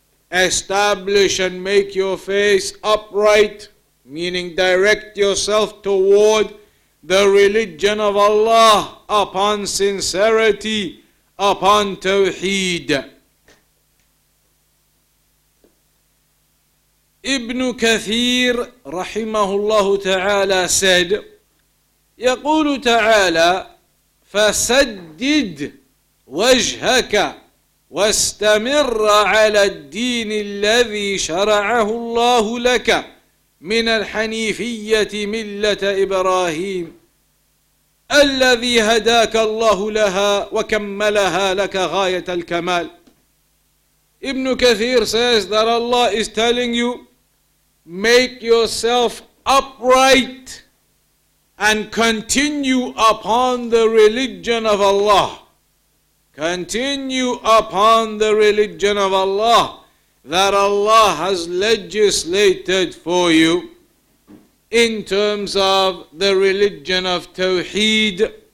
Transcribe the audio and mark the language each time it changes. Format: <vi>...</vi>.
<en>Establish and make your face upright, meaning direct yourself toward the religion of Allah upon sincerity, upon Tawheed.</en> <ar>Ibn Kathir</ar> <en>rahimahullah ta'ala said,</en> <ar>يقول تعالى فسدد وجهك واستمر على الدين الذي شرعه الله لك من الحنيفية ملة إبراهيم الذي هداك الله لها وكملها لك غاية الكمال.</ar> <en>Ibn Kathir says that Allah is telling you, make yourself upright and continue upon the religion of Allah. Continue upon the religion of Allah that Allah has legislated for you in terms of the religion of Tawheed.</en>